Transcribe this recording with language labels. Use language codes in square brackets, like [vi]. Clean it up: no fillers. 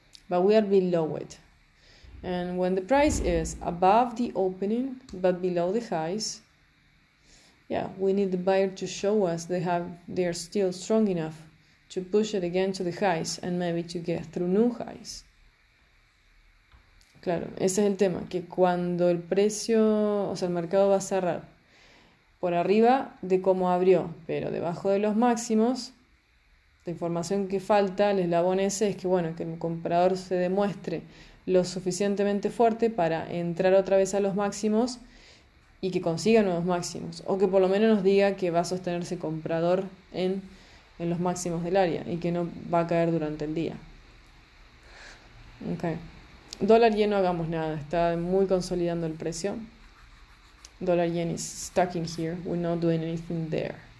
[en] But we are below it. And when the price is above the opening but below the highs, yeah, we need the buyer to show us they are still strong enough to push it again to the highs and maybe to get through new highs. [es] Claro, ese es el tema, que cuando el precio, o sea, el mercado va a cerrar por arriba de cómo abrió, pero debajo de los máximos. La información que falta, el eslabón ese, es que, bueno, que el comprador se demuestre lo suficientemente fuerte para entrar otra vez a los máximos y que consiga nuevos máximos. O que por lo menos nos diga que va a sostenerse comprador en los máximos del área y que no va a caer durante el día. Okay. Dólar yen no hagamos nada, está muy consolidando el precio. [en] Dólar yen is stuck in here, we're not doing anything there.